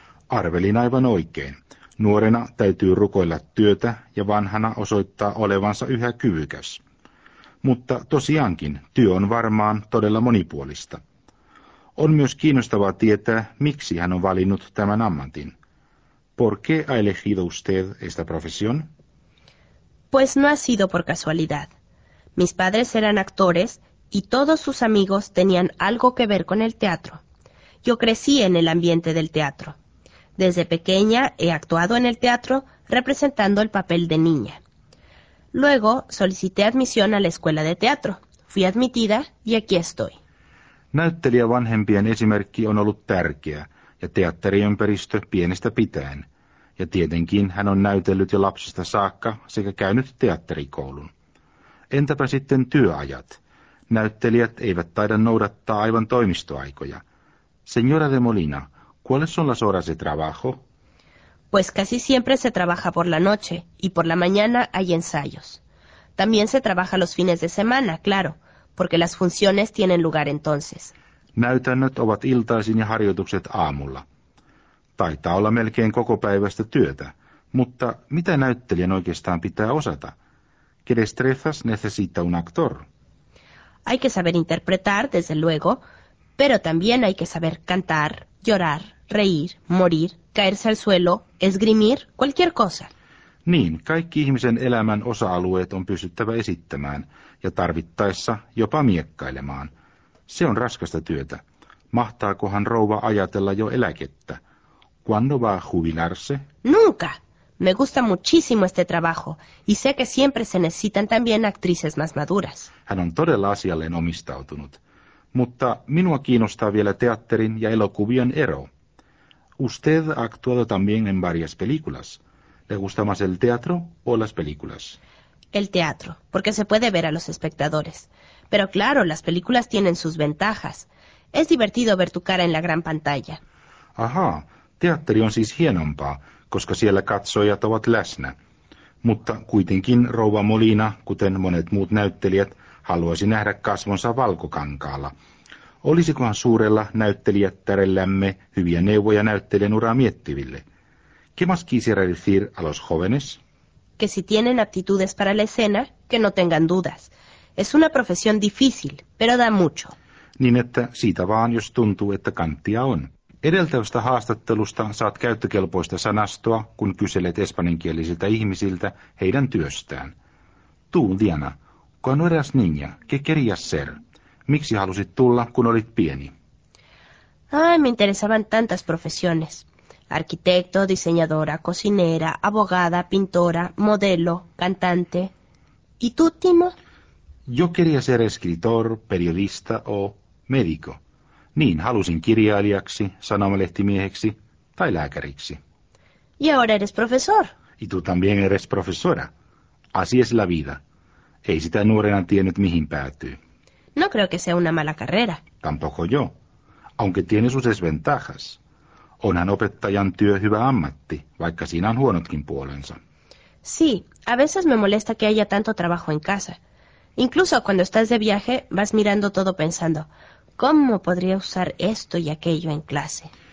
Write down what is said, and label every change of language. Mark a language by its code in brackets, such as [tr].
[fi] Arvelin aivan oikein. Nuorena täytyy rukoilla työtä ja vanhana osoittaa olevansa yhä kyvykäs. Mutta tosiaankin, työ on varmaan todella monipuolista. On myös kiinnostavaa tietää, miksi hän on valinnut tämän ammatin. [es] ¿Por qué ha elegido usted esta profesión? Pues no ha sido por casualidad. Mis padres eran actores y todos sus amigos tenían algo que ver con el teatro. Yo crecí en el ambiente del teatro. Desde pequeña he actuado en el teatro representando el papel de niña. Luego solicité admisión a la escuela de teatro. Fui admitida y aquí estoy. [fi] Näyttelijävanhempien esimerkki on ollut tärkeä ja teatteriympäristö pienestä pitäen. Ja tietenkin hän on näytellyt jo lapsesta saakka sekä käynyt teatterikoulun. Entäpä sitten työajat? Näyttelijät eivät taida noudattaa aivan toimistoaikoja. [es] Señora de Molina, ¿cuáles son las horas de trabajo? Pues casi siempre se trabaja por la noche y por la mañana hay ensayos. También se trabaja los fines de semana, claro, porque las funciones tienen lugar entonces. [fi] Näytännöt ovat iltaisin ja harjoitukset aamulla. Taitaa olla melkein koko päivästä työtä, mutta mitä näyttelijän oikeastaan pitää osata? [es] ¿Qué destrezas necesita un actor? Hay que saber interpretar, desde luego, pero también hay que saber cantar, llorar, reír, morir, caerse al suelo, esgrimir, cualquier cosa. [fi] Niin, kaikki ihmisen elämän osa-alueet on pystyttävä esittämään ja tarvittaessa jopa miekkailemaan. Se on raskasta työtä. Mahtaakohan rouva ajatella jo eläkettä? [es] ¿Cuándo va a jubilarse? Nunca. Me gusta muchísimo este trabajo y sé que siempre se necesitan también actrices más maduras. [fi] Hän on todella asialleen omistautunut. Mutta minua kiinnostaa vielä teatterin ja elokuvien ero. [es] Usted ha actuado también en varias películas. ¿Le gusta más el teatro o las películas? El teatro, porque se puede ver a los espectadores. Pero claro, las películas tienen sus ventajas. Es divertido ver tu cara en la gran pantalla. [fi] Ajá, teatteri on siis hienompaa, koska siellä katsojat ovat läsnä. Mutta kuitenkin rouva Molina, kuten monet muut näyttelijät, haluaisi nähdä kasvonsa valkokankaalla. Olisikohan suurella näyttelijättärellämme hyviä neuvoja näyttelijän uraa miettiville? [es] ¿Qué más quisiera decir a los jóvenes? Que si tienen aptitudes para la escena, que no tengan dudas. Es una profesión difícil, pero da mucho. [fi] Niin että siitä vaan, jos tuntuu, että kanttia on. Edeltävästä haastattelusta saat käyttökelpoista sanastoa, kun kyselet espanjankielisiltä ihmisiltä heidän työstään. [es] Tú, Diana, cuando eras niña, ¿qué querías ser? [fi] ¿Miksi halusit tulla, kun olit pieni? [es] Ay, me interesaban tantas profesiones. Arquitecto, diseñadora, cocinera, abogada, pintora, modelo, cantante. ¿Y tú, Timo? Yo quería ser escritor, periodista o médico. [fi] Niin, halusin kirjailijaksi, sanomalehtimieheksi tai lääkäriksi. [es] Y ahora eres profesor. Y tú también eres profesora. Así es la vida. [fi] Ei sitä nuorena tiennyt, mihin päätyy. [es] No creo que sea una mala carrera. Tampoco yo. Aunque tiene sus desventajas. [fi] Onhan opettajan työ hyvä ammatti, vaikka siinä on huonotkin puolensa. [es] Sí, a veces me molesta que haya tanto trabajo en casa. Incluso cuando estás de viaje, vas mirando todo pensando, ¿cómo podría usar esto y aquello en clase?